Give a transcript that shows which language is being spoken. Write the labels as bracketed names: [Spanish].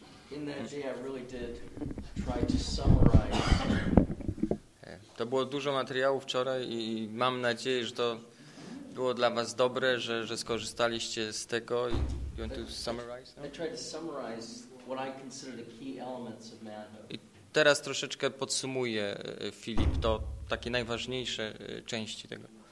[English] In that day I really did try to summarize. [Polish] To było dużo materiału wczoraj i mam nadzieję, że to było dla was dobre, że skorzystaliście z tego. [English] You want to summarize? I tried to summarize what I consider the key elements of manhood. [Polish] I teraz troszeczkę podsumuję, Filip, to takie najważniejsze części tego.